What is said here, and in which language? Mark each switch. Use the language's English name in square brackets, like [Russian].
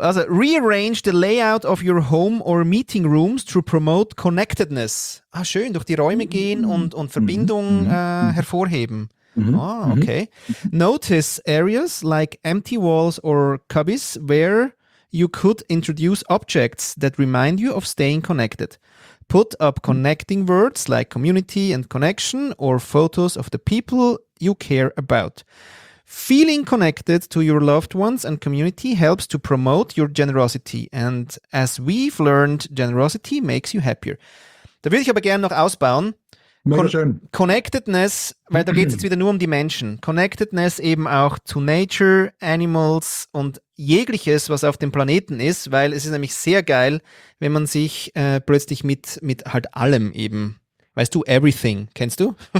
[English] Also, rearrange the layout of your home or meeting rooms to promote connectedness. [German] Ah, schön, durch die Räume gehen und Verbindung hervorheben. Mm-hmm. Ah, okay. Mm-hmm. [English] Notice areas like empty walls or cubbies where you could introduce objects that remind you of staying connected. Put up connecting words like community and connection or photos of the people you care about. Feeling connected to your loved ones and community helps to promote your generosity. And as we've learned, generosity makes you happier. [German] Da würde ich aber gerne noch ausbauen. Connectedness, weil da geht es jetzt wieder nur um die Menschen. Connectedness eben auch zu Nature, Animals und jegliches, was auf dem Planeten ist, weil es ist nämlich sehr geil, wenn man sich plötzlich mit halt allem eben, weißt du, everything, kennst du?